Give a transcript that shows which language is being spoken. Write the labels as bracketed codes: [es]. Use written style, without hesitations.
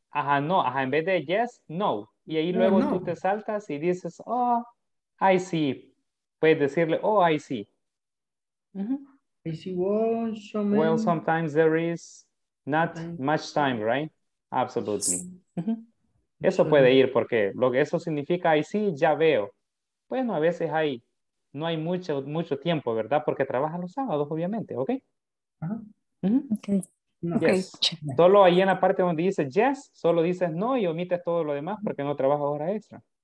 [es] Ajá, no, ajá, en vez de yes, no. Y ahí luego no. Tú te saltas y dices, [en] oh, I see. [es] Puedes decirle, [en] oh, I see. Uh-huh. I see, well, so many... Well, sometimes there is not much time, right? Absolutely. [es] Eso puede ir porque lo que eso significa, [en] I see, [es] ya veo. Bueno, a veces hay, no hay mucho, mucho tiempo, ¿verdad? Porque trabaja los sábados, obviamente, ¿ok? Ajá. Uh-huh. Ok. [en] No. Yes. Okay. [es] Solo ahí en la parte donde dices yes, solo dices no y omites todo lo demás porque no trabajas hora extra.